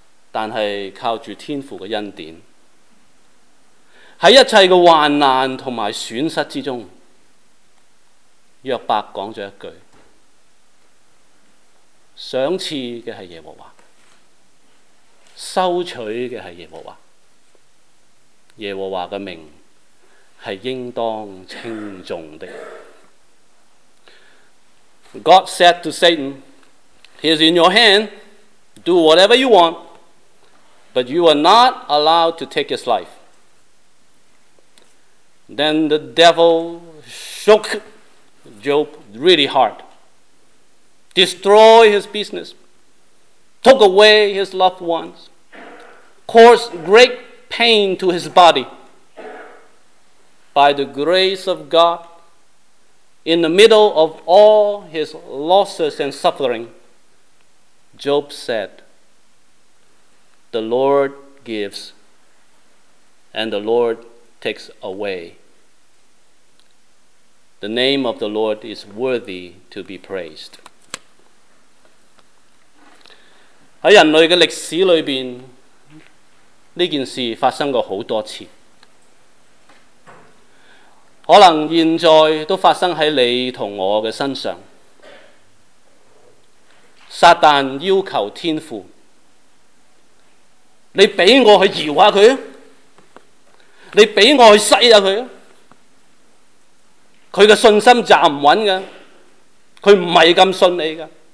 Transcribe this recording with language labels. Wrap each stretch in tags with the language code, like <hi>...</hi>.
<zh>但是靠着天父的恩典，在一切的患难和损失之中，约伯说了一句，赏赐的是耶和华，收取的是耶和华，耶和华的名是应当称重的。</zh> <en>God said to Satan, He is in your hand, do whatever you want, but you are not allowed to take his life. Then the devil shook Job really hard, destroyed his business, took away his loved ones, caused great pain to his body. By the grace of God, in the middle of all his losses and suffering, Job said, The Lord gives, and the Lord takes away. The name of the Lord is worthy to be praised.</en> <zh>在人类的历史里面，这件事发生过很多次，可能现在都发生在你和我的身上。撒旦要求天父，你给我去摇下他，你给我去筛下他，他的信心站不稳的，他不是那么信你的。</zh>